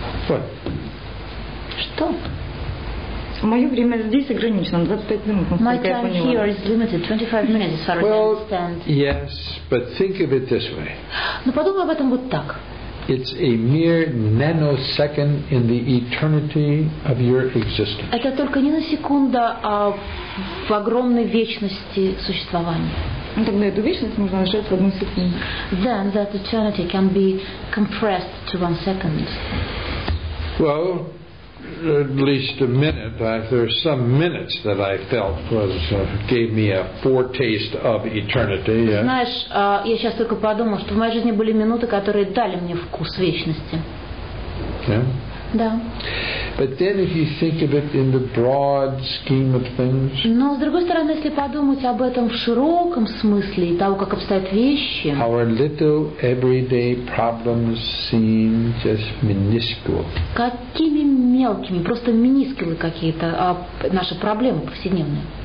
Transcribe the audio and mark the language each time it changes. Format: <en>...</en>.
<en>What?</en> <ru>Что? Мое время здесь ограничено, 25 минут.</ru> <en>My time here is limited, 25 minutes, as far as well, I understand. Yes, but think of it this way.</en> <ru>Но подумай об этом вот так.</ru> <en>It's a mere nanosecond in the eternity of your existence.</en> <ru>Это только не на секунду, а в огромной вечности существования. Тогда эту вечность можно сжать в одну секунду.</ru> <en>Then that eternity can be compressed to 1 second. Well, at least a minute. There are some minutes that I felt was gave me a foretaste of eternity.</en> <ru>Знаешь, я сейчас только подумал, что в моей жизни были минуты, которые дали мне вкус вечности.</ru> <en>Yeah.</en> <ru>Да.</ru> <en>But then, if you think of it in the broad scheme of things.</en> <ru>Но с другой стороны, если подумать об этом в широком смысле и того, как обстоят вещи.</ru> <en>Our little everyday problems seem just minuscule.</en> <ru>Какими мелкими, просто минискулы какие-то наши проблемы повседневные.</ru>